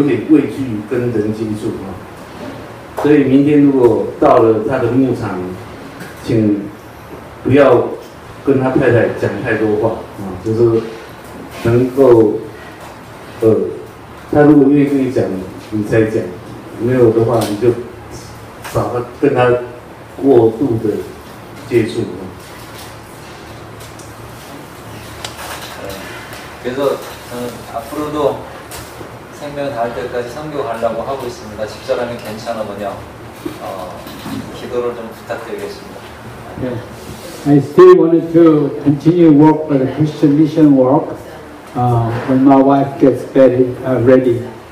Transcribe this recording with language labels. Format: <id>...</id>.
<zh>那他太太跟去了，结果在非洲发生了重大的车祸，那因为就是那个重大的车祸，才让李牧师跟他太太又再回到韩国。那等于说他太太受那个重大的车祸，是真的死里逃生救回来，那救回来之后，现在就是有点畏惧跟人接触啊。所以明天如果到了他的牧场，请不要跟他太太讲太多话啊，就是能够，他如果愿意跟你讲，你再讲；没有的话，你就少跟他过度的接触啊。</zh> <ko>그래서 앞으로도 생명 닿을 때까지 성교하려고 하고 있습니다. 집사람이 괜찮으면요. 기도를 좀 부탁드리겠습니다.</ko> <en>Yeah. I still wanted to continue work for the Christian mission work when my wife gets ready.</en>